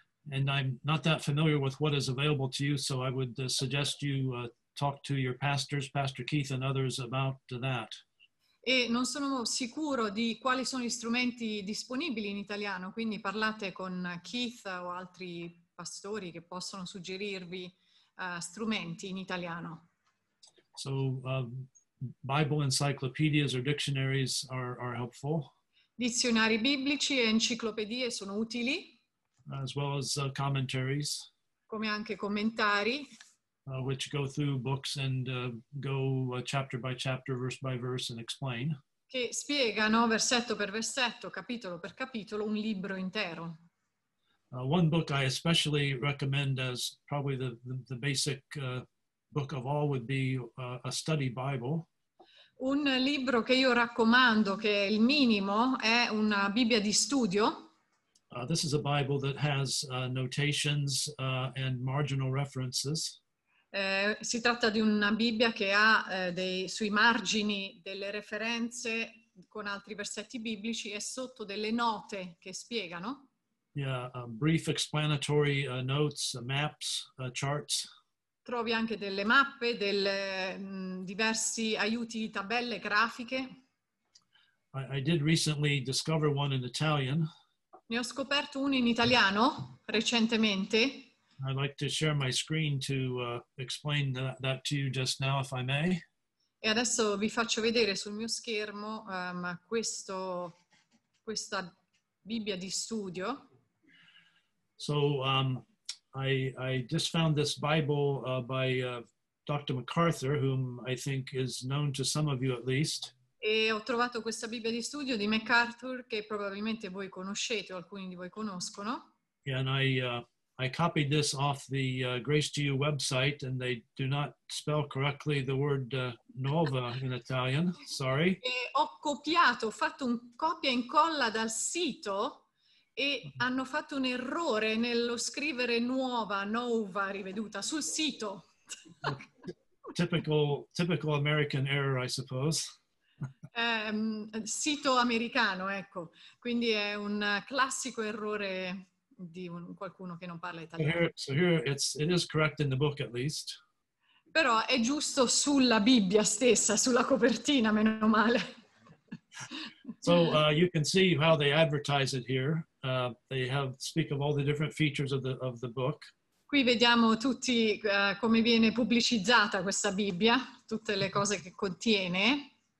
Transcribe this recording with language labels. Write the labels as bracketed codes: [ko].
[en] And I'm not that familiar with what is available to you, so I would suggest you talk to your pastors, Pastor Keith and others, about that. [it] E non sono sicuro di quali sono gli strumenti disponibili in italiano, quindi parlate con Keith o altri pastori che possono suggerirvi strumenti in italiano. [en] So, Bible encyclopedias or dictionaries are helpful. [it] Dizionari biblici e enciclopedie sono utili. [en] As well as commentaries. [it] Come anche commentari. [en] Which go through books and go chapter by chapter, verse by verse, and explain. [it] Che spiegano versetto per versetto, capitolo per capitolo, un libro intero. [en] One book I especially recommend as probably the basic book of all would be a study Bible. [it] Un libro che io raccomando, che è il minimo, è una Bibbia di studio. [en] This is a Bible that has notations and marginal references. [it] Si tratta di una Bibbia che ha sui margini delle referenze con altri versetti biblici e sotto delle note che spiegano. [en] Brief explanatory notes, maps, charts. [it] Trovi anche delle mappe, diversi aiuti, tabelle grafiche. [en] I did recently discover one in Italian. [it] Ne ho scoperto uno in italiano recentemente. [en] I'd like to share my screen to explain that to you just now, if I may. [it] E adesso vi faccio vedere sul mio schermo questa Bibbia di studio. [en] So I just found this Bible by Dr. MacArthur, whom I think is known to some of you at least. [it] E ho trovato questa Bibbia di studio di MacArthur che probabilmente voi conoscete o alcuni di voi conoscono. [en] And I copied this off the Grace to You website and they do not spell correctly the word nuova in Italian, sorry. [it] E ho copiato, ho fatto un copia e incolla dal sito e hanno fatto un errore nello scrivere nuova, riveduta, sul sito. [en] Typical American error, I suppose. [it] Sito americano, ecco. Quindi è un classico errore di qualcuno che non parla italiano. [en] So here it is correct in the book, at least. [it] Però è giusto sulla Bibbia stessa, sulla copertina, meno male. [en] So you can see how they advertise it here. They speak of all the different features of the book. [it] Qui vediamo tutti come viene pubblicizzata questa Bibbia, tutte le cose che contiene.